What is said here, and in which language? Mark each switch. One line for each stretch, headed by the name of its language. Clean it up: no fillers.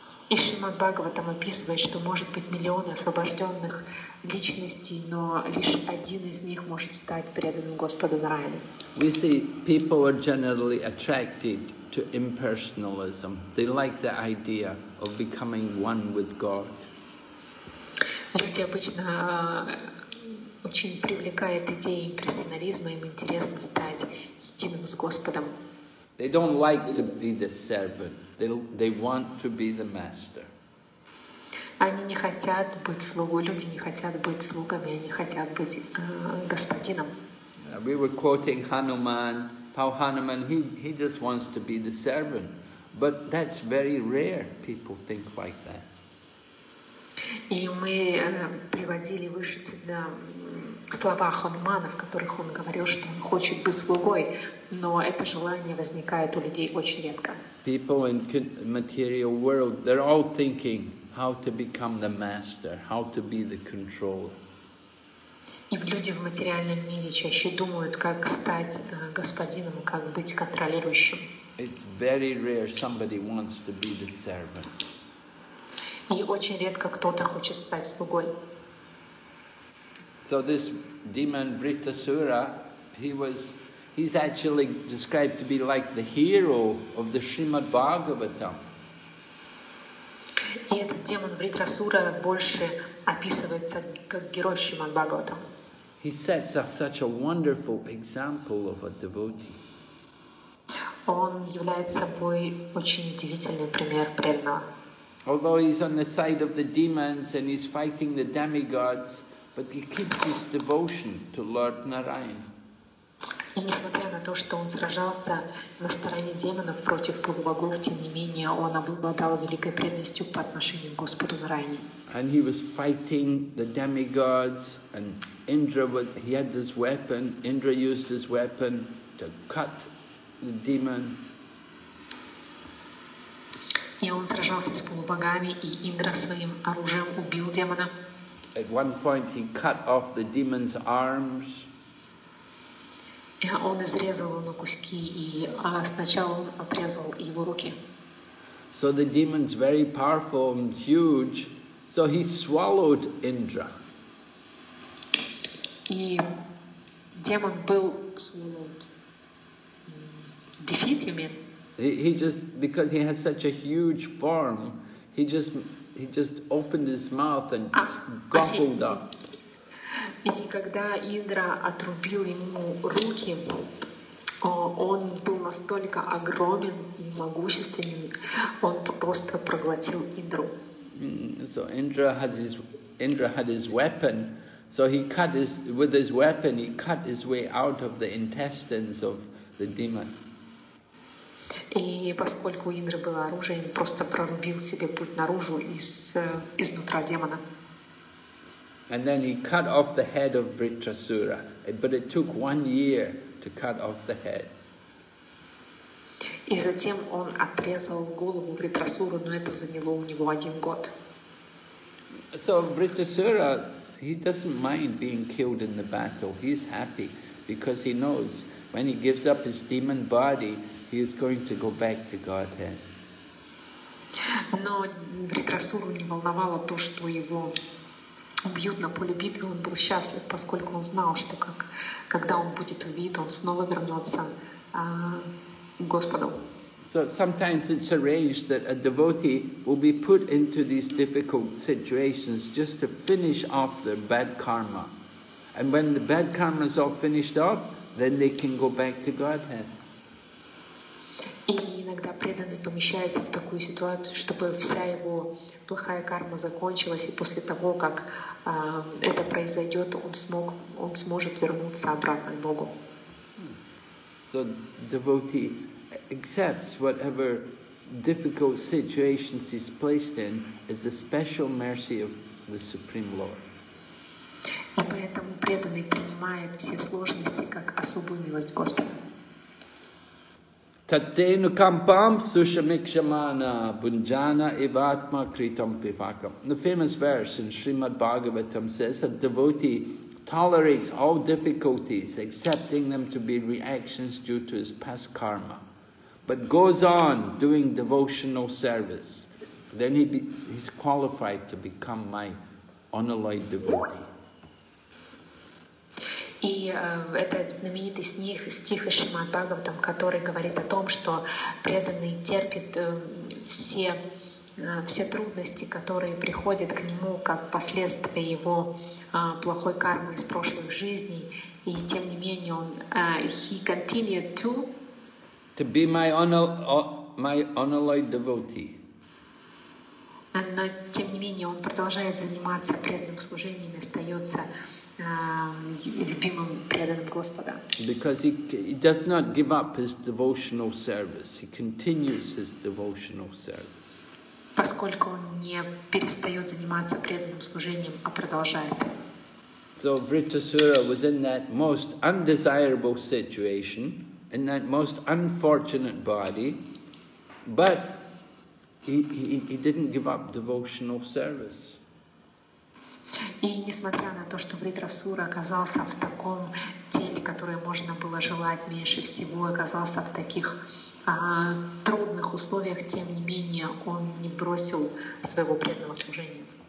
Russian: И Шримад Бхагаватам описывает, что может быть миллионы освобожденных личностей, но лишь один из них может стать преданным Господу Нараяне.
English: We see people are generally attracted to impersonalism. They like the idea of becoming one with God.
Russian: Люди обычно очень привлекает идея имперсонализма, им интересно стать единым с Господом.
English: They don't like to be the servant. They want to be the master.
Russian: Они не хотят быть слугой. Люди не хотят быть слугами. Они хотят быть господином.
English: We were quoting Hanuman, how Hanuman he just wants to be the servant, but that's very rare. People think like that.
Russian: И мы приводили выше тебя слова Ханумана, в которых он говорил, что он хочет быть слугой, но это желание возникает у людей очень редко.
English: People in material world, they're all thinking how to become the master, how to be the controller.
Russian: И люди в материальном мире чаще думают, как стать господином, как быть контролирующим.
English: It's very rare somebody wants to be the servant.
Russian: И очень редко кто-то хочет стать слугой.
English: So this demon Vritasura, he's actually described to be like the hero of the Srimad Bhagavatam.
Russian: И этот демон Вритасура больше описывается как герой Шримад Бхагаватам.
English: He sets up such a wonderful example of a devotee.
Russian: Он является собой очень удивительный пример преданного.
English: Although he's on the side of the demons and he's fighting the demigods, but he keeps his devotion to Lord Narayan.
Russian: И несмотря на то, что он сражался на стороне демонов против полубогов, тем не менее он обладал великой преданностью по отношению к Господу Нарайне.
English: And he was fighting the demigods, and he had this weapon. Indra used his weapon to cut the demon.
Russian: И он сражался с полубогами, и Индра своим оружием убил демона.
English: At one point, he cut off the demon's arms.
Russian: Он изрезал его на куски, и сначала он отрезал его руки.
English: So the demon's very powerful and huge, so he swallowed Indra.
Russian: И демон был
English: swallowed, defeat, you mean? He just, because he had such a huge form, he just opened his mouth and gobbled up.
Russian: И когда Индра отрубил ему руки, он был настолько огромен и могущественен, он просто проглотил Индру.
English: So Indra had his weapon. So he cut his way out of the intestines of the demon.
Russian: И поскольку у Индры было оружие, он просто прорубил себе путь наружу изнутри демона.
English: And then he cut off the head of Vritrasura, but it took 1 year to cut off the head.
Russian: И затем он отрезал голову Вритрасуру, но это заняло у него 1 год.
English: So Vritrasura, he doesn't mind being killed in the battle. He's happy because he knows when he gives up his demon body, he is going to go back to Godhead.
Russian: Но Вритрасуру не волновало то, что его убьют на поле битвы, он был счастлив, поскольку он знал, что когда он будет убит, он снова вернется к Господу.
English: So sometimes it's arranged that a devotee will be put into these difficult situations just to finish off their bad karma. And when the bad karma is all finished off, then they can go back to Godhead.
Russian: И иногда преданный помещается в такую ситуацию, чтобы вся его плохая карма закончилась, и после того, как это произойдет, он сможет вернуться обратно к Богу.
English: So devotee accepts whatever difficult situations he's placed in as a special mercy of the Supreme Lord.
Russian: И поэтому преданный принимает все сложности как особую милость Господа.
Sanskrit: Tatenu kampam sushamikshamana bunjana evatma kritam pivakam.
English: The famous verse in Srimad Bhagavatam says a devotee tolerates all difficulties, accepting them to be reactions due to his past karma, but goes on doing devotional service. Then he's qualified to become my unalloyed devotee.
Russian: И это знаменитый стих из Шримад Бхагаватам, который говорит о том, что преданный терпит все трудности, которые приходят к нему как последствия его плохой кармы из прошлых жизней, и тем не менее он
English: he continued to be my unalloyed devotee.
Russian: Но тем не менее он продолжает заниматься преданным служением и остается любимым преданным Господа.
English: Because he does not give up his devotional service. He continues his devotional service.
Russian: поскольку он не перестает заниматься преданным служением, а продолжает.
English: So Vritasura was in that most undesirable situation, in that most unfortunate body, but he didn't give up devotional service.
Russian: И несмотря на то, что Вритрасура оказался в таком теле, которое можно было желать меньше всего, оказался в таких трудных условиях, тем не менее он не бросил своего преданного служения.